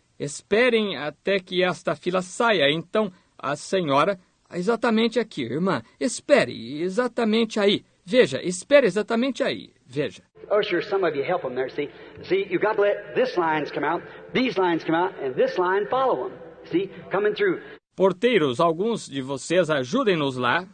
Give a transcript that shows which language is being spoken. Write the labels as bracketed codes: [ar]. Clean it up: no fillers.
[pt] Esperem até que esta fila saia, então a senhora. Exatamente aqui, irmã. Espere, exatamente aí. Veja, espere exatamente aí. Veja. [en] Oh, sure, some of you help them there, see? See, you've got to let this lines come out, these lines come out, and this line follow them. See, coming through. [pt] Porteiros, alguns de vocês ajudem-nos lá.